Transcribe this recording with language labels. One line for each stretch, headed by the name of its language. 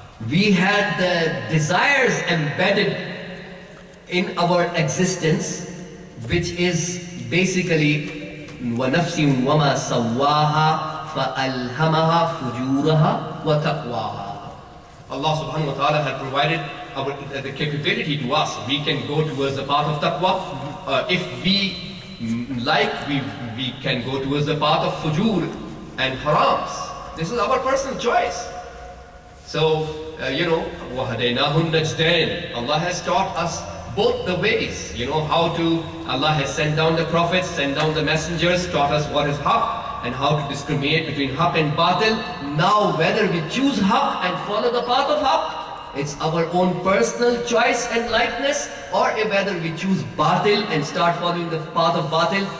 English: We had the desires embedded in our existence, which is basically
Arabic: وَنَفْسٍ وَمَا سَوَّاهَا فَأَلْهَمَهَا فُجُورَهَا وَتَقْوَاهَا.
English: Allah subhanahu wa ta'ala had provided the capability to us. We can go towards the path of taqwa. If we like, we can go towards the path of fujur and harams. This is our personal choice. So,
Arabic: وَهَدَيْنَاهُ النَّجْدَيْنِ.
English: Allah has taught us both the ways. You know how to, Allah has sent down the prophets, sent down the messengers, taught us what is haq, and how to discriminate between haq and batil. Now, whether we choose haq and follow the path of haq, it's our own personal choice and likeness, or whether we choose batil and start following the path of batil,